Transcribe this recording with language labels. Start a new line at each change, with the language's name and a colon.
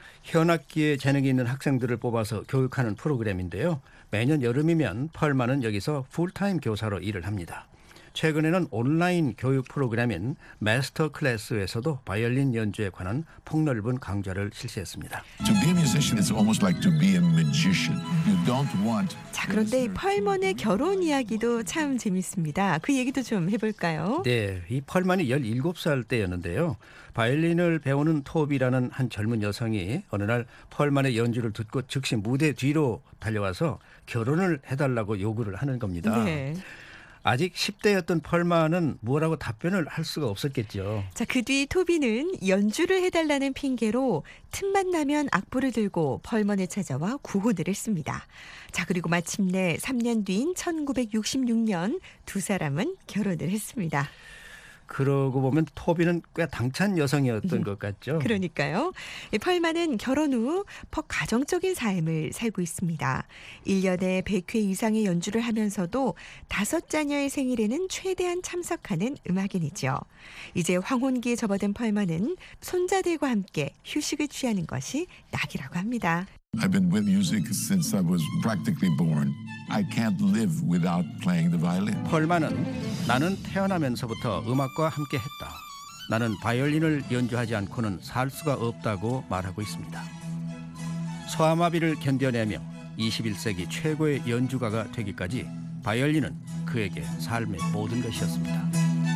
Korean: 현악기에 재능이 있는 학생들을 뽑아서 교육하는 프로그램인데요. 매년 여름이면 펄만은 여기서 풀타임 교사로 일을 합니다. 최근에는 온라인 교육 프로그램인 마스터 클래스에서도 바이올린 연주에 관한 폭넓은 강좌를 실시했습니다.
English: To be a musician is almost like to be a magician. You don't want.
Korean: 자, 그런데 이 펄먼의 결혼 이야기도 참 재밌습니다. 그 얘기도 좀 해볼까요? 네, 이 펄먼이 17살 때였는데요. 바이올린을 배우는 토비라는 한 젊은 여성이 어느 날 펄먼의 연주를 듣고 즉시 무대 뒤로 달려와서 결혼을 해달라고 요구를 하는 겁니다. 네. 아직 10대였던 펄마는 뭐라고 답변을 할 수가 없었겠죠. 자, 그 뒤 토비는 연주를 해달라는 핑계로 틈만 나면 악보를 들고 펄먼에 찾아와 구호들을 했습니다. 자, 그리고 마침내 3년 뒤인 1966년 두 사람은 결혼을 했습니다. 그러고 보면 토비는 꽤 당찬 여성이었던 것 같죠. 그러니까요. 펄마는 결혼 후 퍽 가정적인 삶을 살고 있습니다. 1년에 100회 이상의 연주를 하면서도 다섯 자녀의 생일에는 최대한 참석하는 음악인이죠. 이제 황혼기에 접어든 펄마는 손자들과 함께 휴식을 취하는 것이 낙이라고 합니다.
English: I've been with music since I was practically born. I can't live without playing the violin.
Korean: 펄마는 나는 태어나면서부터 음악과 함께 했다. 나는 바이올린을 연주하지 않고는 살 수가 없다고 말하고 있습니다. 소아마비를 견뎌내며 21세기 최고의 연주가가 되기까지 바이올린은 그에게 삶의 모든 것이었습니다.